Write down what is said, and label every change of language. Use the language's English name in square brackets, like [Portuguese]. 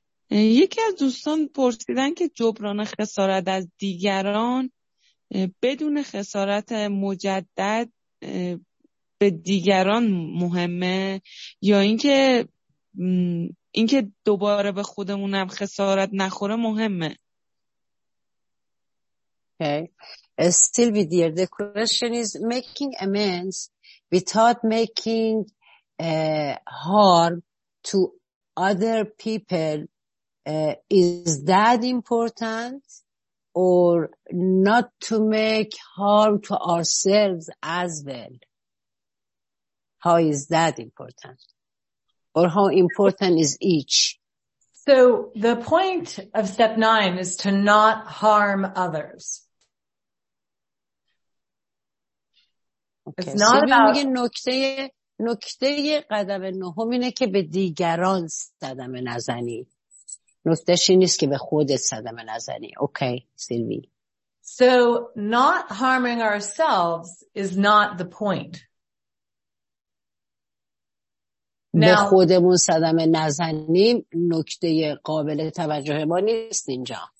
[Persian] یکی از دوستان پرسیدن که جبران خسارت از دیگران بدون خسارت مجدد به دیگران مهمه یا اینکه دوباره به خودمونم خسارت نخوره مهمه. [English] Okay. Sylvie dear, the question is making amends without making harm to other people, is that important or not to make harm to ourselves as well? How is that important? Or how important is each? So the point of step 9 is to not harm others. Okay. It's not about... [Persian] میگه نکته قدم نهم اینه که به دیگران صدمه نزنی. نکتهش این نیست که به خودت صدمه نزنی. [English] Okay, Sylvie. So not harming ourselves is not the point. به now... [Persian] خودمون صدمه نزنیم نکته قابل توجه ما نیست اینجا.